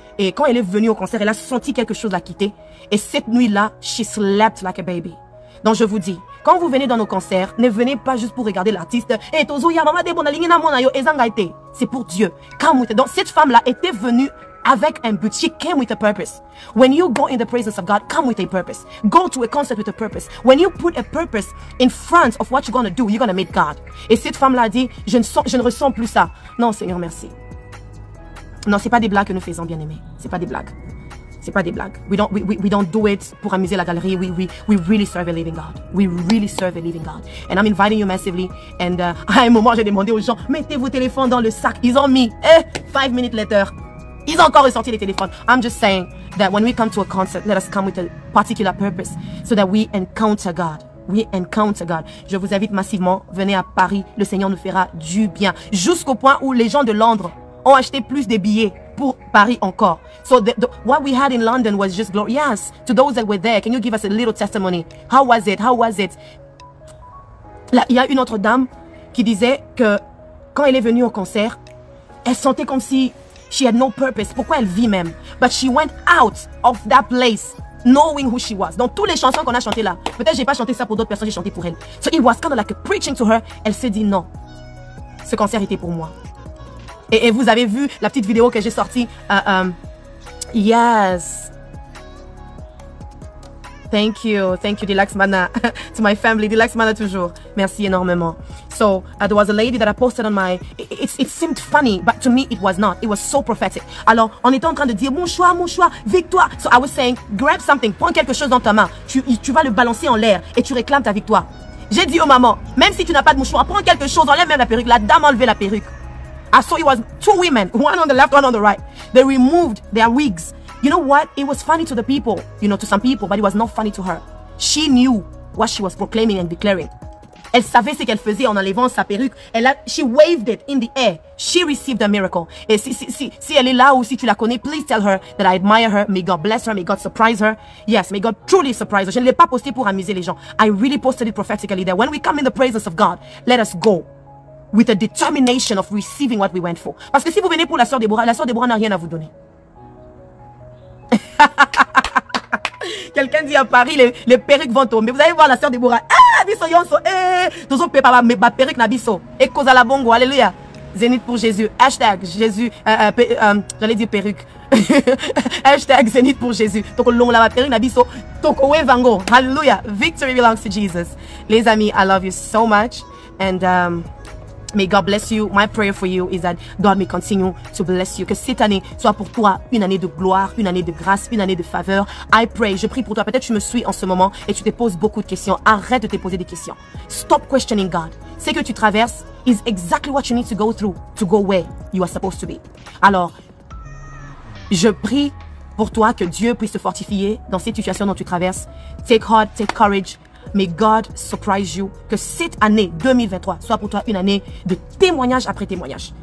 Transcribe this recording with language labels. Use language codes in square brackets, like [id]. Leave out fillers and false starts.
[fr] Et quand elle est venue au concert, elle a senti quelque chose la quitter. Et cette nuit-là, [en] she slept like a baby. [fr] Donc je vous dis, quand vous venez dans nos concerts, ne venez pas juste pour regarder l'artiste. [ln] Et tozo ya mama de bonalingi na mona yo ezanga ite. [fr] C'est pour Dieu. Donc cette femme-là était venue avec un but. [en] She came with a purpose. When you go in the presence of God, come with a purpose. Go to a concert with a purpose. When you put a purpose in front of what you're going to do, you're going to meet God. [fr] Et cette femme l'a dit, je ne ressens plus ça. Non, Seigneur, merci. Non, c'est pas des blagues que nous faisons, bien-aimés. C'est pas des blagues. C'est pas des blagues. [en] We don't do it [fr] pour amuser la galerie. [en] We really serve a living God. We really serve a living God. And I'm inviting you massively. And [fr] à un moment, j'ai demandé aux gens, mettez vos téléphones dans le sac. Ils ont mis, 5 [en] minutes later. [fr] Ils ont encore ressorti les téléphones. [en] I'm just saying that when we come to a concert, let us come with a particular purpose so that we encounter God. We encounter God. [fr] Je vous invite massivement, venez à Paris. Le Seigneur nous fera du bien. Jusqu'au point où les gens de Londres ont acheté plus de billets pour Paris encore. [en] So the what we had in London was just glorious. To those that were there, can you give us a little testimony? How was it? How was it? [fr] Là, il y a une autre dame qui disait que quand elle est venue au concert, elle sentait comme si [en] she had no purpose. [fr] Pourquoi elle vit même? [en] But she went out of that place knowing who she was. [fr] Dans toutes les chansons qu'on a chantées là, peut-être j'ai pas chanté ça pour d'autres personnes, j'ai chanté pour elle. [en] So it was kind of like preaching to her. [fr] Elle s'est dit non, ce concert était pour moi. Et vous avez vu la petite vidéo que j'ai sortie. [en] Yes. Thank you. Thank you, Deluxe Mana. To my family, Deluxe Mana [fr] toujours. Merci énormément. [en] So, there was a lady that I posted on my... It seemed funny, but to me, it was not. It was so prophetic. [fr] Alors, on était en train de dire, mon choix, victoire. [en] So, I was saying, grab something, [fr] prends quelque chose dans ta main. Tu vas le balancer en l'air et tu réclames ta victoire. J'ai dit aux mamans, même si tu n'as pas de mouchoir, prends quelque chose, enlève même la perruque. La dame a enlevé la perruque. [en] I saw it was 2 women, one on the left, one on the right. They removed their wigs. You know what? It was funny to the people, you know, to some people, but it was not funny to her. She knew what she was proclaiming and declaring. [fr] Elle savait ce qu'elle faisait en enlevant sa perruque. [en] She waved it in the air. She received a miracle. [fr] Et si elle est là ou si tu la connais, [en] please tell her that I admire her. May God bless her. May God surprise her. Yes, may God truly surprise her. [fr] Je ne l'ai pas posté pour amuser les gens. [en] I really posted it prophetically that when we come in the presence of God, let us go with a determination of receiving what we went for. [fr] Parce que si vous venez pour la sœur Déborah n'a rien à vous donner. Quelqu'un dit à Paris, les perruques vont tomber. Vous allez voir la sœur Déborah. [ln] Ah, biso yonso. [fr] Eh, nous on peut pas ma perruque [ln] na biso. [fr] Et cause à la bongo. Alléluia. Zénith pour Jésus. Hashtag Jésus. J'allais dire perruque. Hashtag Zénith pour Jésus. [ln] Toko long la ma perruque na biso. Toko we vango. Alléluia. [en] Victory belongs to Jesus. [fr] Les amis, [en] I love you so much. And, may God bless you. My prayer for you is that God may continue to bless you. [fr] Que cette année soit pour toi une année de gloire, une année de grâce, une année de faveur. [en] I pray. [fr] Je prie pour toi. Peut-être tu me suis en ce moment et tu te poses beaucoup de questions. Arrête de te poser des questions. [en] Stop questioning God. [fr] Ce que tu traverses [en] is exactly what you need to go through to go where you are supposed to be. [fr] Alors, je prie pour toi que Dieu puisse te fortifier dans cette situation dont tu traverses. [en] Take heart, take courage. May God surprise you. [fr] Que cette année 2023 soit pour toi une année de témoignage après témoignage.